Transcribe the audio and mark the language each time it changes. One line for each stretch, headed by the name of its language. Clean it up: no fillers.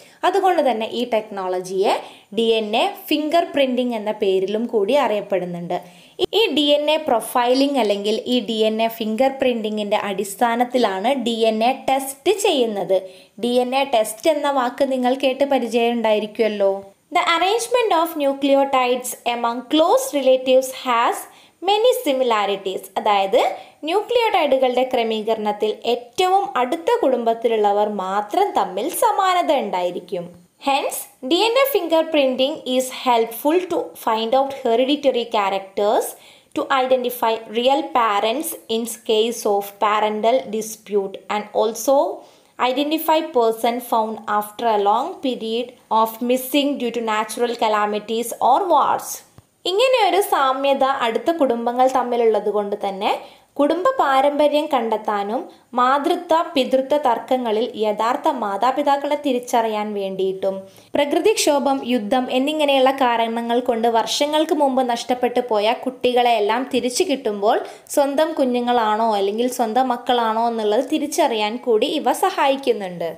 Malayalam: അതുകൊണ്ട് തന്നെ ഈ ടെക്നോളജിയെ D N A finger printing എന്ന പേരിലും കൂടി അറിയപ്പെടുന്നുണ്ട്. ഈ ഡി എൻ എ പ്രൊഫൈലിംഗ് അല്ലെങ്കിൽ ഈ ഡി എൻ എ ഫിംഗർ പ്രിൻറ്റിങ്ങിൻ്റെ അടിസ്ഥാനത്തിലാണ് ഡി എൻ എ ടെസ്റ്റ് ചെയ്യുന്നത്. ഡി എൻ എ ടെസ്റ്റ് എന്ന വാക്ക് നിങ്ങൾ കേട്ട് പരിചയം ഉണ്ടായിരിക്കുമല്ലോ.
English: The arrangement of nucleotides among close relatives has many similarities.
Malayalam: അതായത് ന്യൂക്ലിയോടൈഡുകളുടെ ക്രമീകരണത്തിൽ ഏറ്റവും അടുത്ത കുടുംബത്തിലുള്ളവർ മാത്രം തമ്മിൽ സമാനത ഉണ്ടായിരിക്കും.
English: Hence, DNA fingerprinting is helpful to find out hereditary characters to identify real parents in case of parental dispute and also identify person found after a long period of missing due to natural calamities or wars.
Malayalam: ഇങ്ങനെയൊരു സാമ്യത അടുത്ത കുടുംബങ്ങൾ തമ്മിലുള്ളത് കൊണ്ട് തന്നെ കുടുംബ പാരമ്പര്യം കണ്ടെത്താനും മാതൃത്വ പിതൃത്വ തർക്കങ്ങളിൽ യഥാർത്ഥ മാതാപിതാക്കളെ തിരിച്ചറിയാൻ വേണ്ടിയിട്ടും പ്രകൃതിക്ഷോഭം, യുദ്ധം എന്നിങ്ങനെയുള്ള കാരണങ്ങൾ കൊണ്ട് വർഷങ്ങൾക്ക് മുമ്പ് നഷ്ടപ്പെട്ടു പോയ കുട്ടികളെയെല്ലാം തിരിച്ചു കിട്ടുമ്പോൾ സ്വന്തം കുഞ്ഞുങ്ങളാണോ അല്ലെങ്കിൽ സ്വന്തം മക്കളാണോ എന്നുള്ളത് തിരിച്ചറിയാൻ കൂടി ഇവ സഹായിക്കുന്നുണ്ട്.